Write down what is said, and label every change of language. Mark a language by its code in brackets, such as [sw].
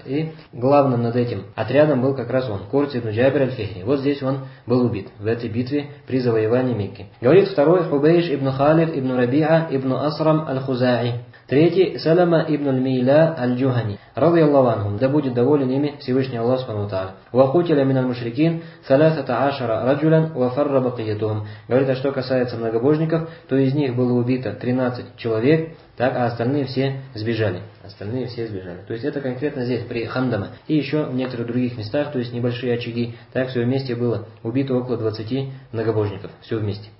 [ru] И главным над этим отрядом был как раз он, Курц ибн Джабир аль-Фихри. Вот здесь он был убит, в этой битве при завоевании Мекки. Говорит второй, Хубейш ибн Халид ибн Рабиа ибн Асрам аль-Хузаи. Третий, Салама ибн аль-Мейля аль-Джухани. [ar] رضي الله عنهم [ru] да будет доволен ими Всевышний Аллах Субхану ва Тааля. [ar] وقتل من المشركين 13 رجلا وفر بقيتهم. [ru] Говорит, а что касается многобожников, то из них было убито 13 человек, так, а остальные все сбежали. Остальные все сбежали. То есть это конкретно здесь, при Хандаме. И еще в некоторых других местах, то есть небольшие очаги. Так, все вместе было убито около 20 многобожников. Все вместе.